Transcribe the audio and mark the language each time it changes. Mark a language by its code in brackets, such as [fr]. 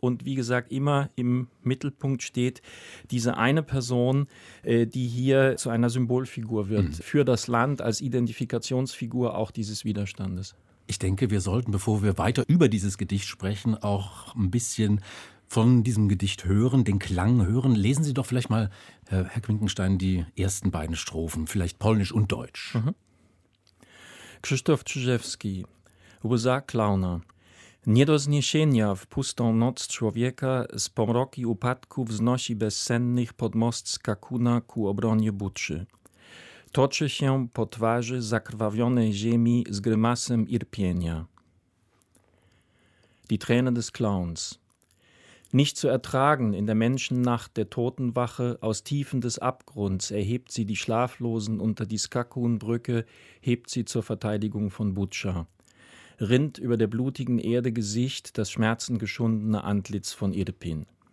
[de] Und wie gesagt, immer im Mittelpunkt steht diese eine Person, die hier zu einer Symbolfigur wird für das Land als Identifikationsfigur auch dieses Widerstandes. Ich denke, wir sollten, bevor wir weiter über dieses Gedicht sprechen, auch ein bisschen von diesem Gedicht hören, den Klang hören. Lesen Sie doch vielleicht mal, Herr Quinckenstein, die ersten beiden Strophen, vielleicht polnisch und deutsch. [pl] Krzysztof Tschiszewski, łza klauna. Nie do zniesienia w pustą noc człowieka z pomroki upadku wznosi bezsennych pod most skakuna ku obronie Buczy. Toczy się po twarzy zakrwawionej ziemi z grymasem irpienia. [de] Die Träne des Clowns. Nicht zu ertragen in der Menschennacht der Totenwache, aus Tiefen des Abgrunds erhebt sie die Schlaflosen unter die Skakunbrücke, hebt sie zur Verteidigung von Butscha. Rinnt über der blutigen Erde Gesicht das schmerzengeschundene Antlitz von Irpin.